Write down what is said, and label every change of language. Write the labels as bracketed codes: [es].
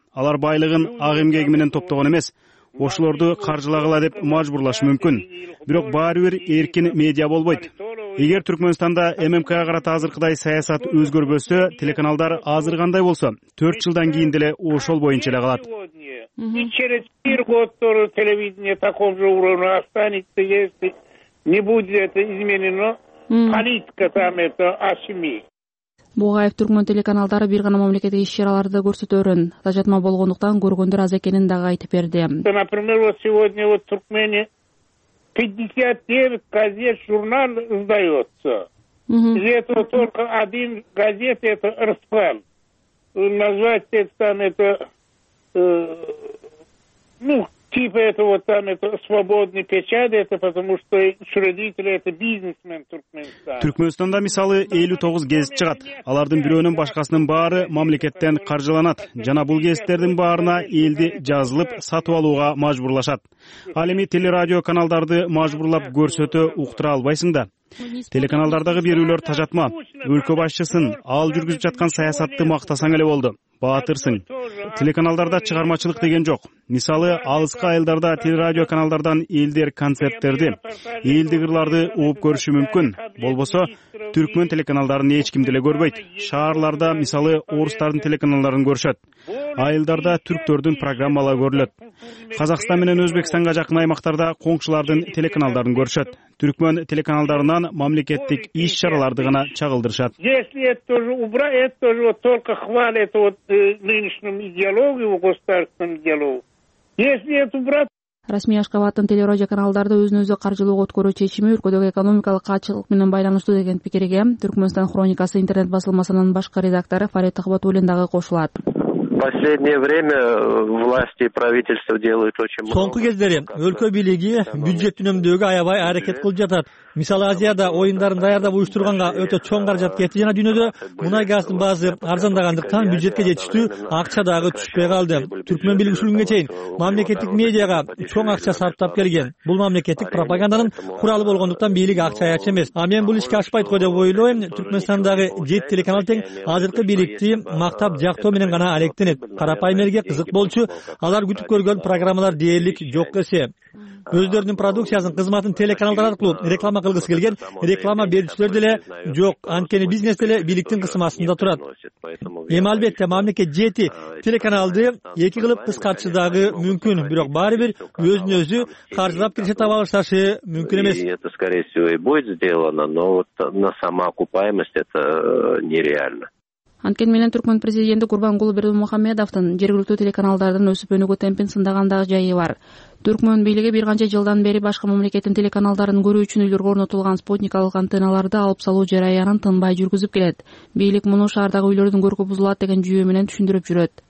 [ky] Алар байлыгын ак эмгеги менен топтогон эмес. Ошолорду каржылагыла деп мажбурлаш мүмкүн. Бирок баары бир эркин медиа болбойт. Эгер Түркмөнстанда ММК'га карата азыркыдай саясат өзгөрбөсө, телеканалдар азыр кандай болсо, 4 жылдан кийин деле ошол боюнча эле калат. [ru] Через 4 года телевидение таком же уровне останется, если не будет это изменено, политика там это ашми. [ky] Бугаев Түркмөн телеканалдары бир гана мамлекеттик иш чараларды көрсөтөрүн тажатма болгондуктан көргөндөр аз экенин дагы айтып берди. [ru] Например, вот сегодня вот Туркмени 59 газет журнал издается. Из этого только один газет это РСФМ. Назвать это там это ну, типа это вот там это свободный печать, это потому что учредители это бизнесмен Туркменстан. [ky] Түркмөнстанда мисалы 59 гезит чыгат. Алардын бирөөнүн башкасынын баары мамлекеттен каржыланат. Жана бул гезиттердин баарына элди жазылып сатып алууга мажбурлашат. Ал эми телерадио каналдарды мажбурлап көрсөтө уктура албайсың да. Телеканалдардагы берүүлөр тажатма. Өлкө башчысын ал жүргүзүп жаткан саясатты мактасаң эле болду. Баатырсың. Телеканалдарда чыгармачылык деген жок. Мисалы, алыскы айылдарда телерадио каналдардан элдер концерттерди, элди кырларды угуп көрүшү мүмкүн. Болбосо, түркмөн телеканалдарын эч ким деле көрбөйт. Шаарларда, мисалы, орустардын телеканалдарын көрүшөт. Айылдарда түрктөрдүн программалары көрүлөт. Казакстан менен Өзбекстанга жакын аймактарда коңшулардын телеканалдарын көрүшөт. Түркмөн телеканалдарынан мамлекеттик иш чараларды гана чагылдырышат. [ru] Если это тоже убрать, это тоже вот только хвалят вот нынешнюю идеологию, государственную идеологию. Если это убрать. [ky] Расмий Ашкабадтын телерадио каналдарды өзүн өзү каржылоого өткөрүү чечими өлкөдөгү экономикалык каачылык менен байланыштуу деген пикирге Түркмөнстан хроникасы интернет басылмасынын башкы редактору Фарид Акбатуллин дагы кошулат. [ru] последнее время власти и правительство делают очень много. [ky] Соңку кездери өлкө бийлиги бюджет үнөмдөөгө аябай аракет кылып жатат. Мисалы Азияда оюндарын даярдап уюштурганга өтө чоң каражат кетти жана дүйнөдө мунай газдын баасы арзандагандыктан бюджетке жетиштүү акча дагы түшпөй калды. Түркмөн бийлигине чейин мамлекеттик медиага чоң акча сарптап келген. Бул мамлекеттик пропагандынын куралы болгондуктан бийлик акча аяч эмес. А мен бул ишке ашпайт го деп ойлойм. Түркмөнстандагы жети телеканал тең азыркы бийликти мактап жактоо менен гана алектенет. Карапайым элге кызык болчу, алар күтүп көргөн программалар дээрлик жок эсе. Өздөрүнүн продукциясын, кызматын телеканалдар аркылуу реклама кылгысы келген реклама берүүчүлөр деле жок, анткени бизнес деле бийликтин кысмасында турат. Эми албетте мамлекет жети телеканалды эки кылып кыскартышы дагы мүмкүн, бирок баары бир өзүн өзү каржылап киреше таба алышташы мүмкүн эмес. [ru] Это скорее всего и будет сделано, но вот на самоокупаемость это нереально. [ky] Анткени менен Түркмөн президенти Курбангулу Бердимухамедовдун жергиликтүү телеканалдардын өсүп өнүгүү темпин сындагандагы жайы бар. Түркмөн бийлиги бир канча жылдан бери башка мамлекеттин телеканалдарын көрүү үчүн үйлөргө орнотулган спутникалык антенналарды алып салуу жараянын тынбай жүргүзүп келет. Бийлик муну шаардагы үйлөрдүн көркү бузулат деген жүйө менен түшүндүрүп жүрөт.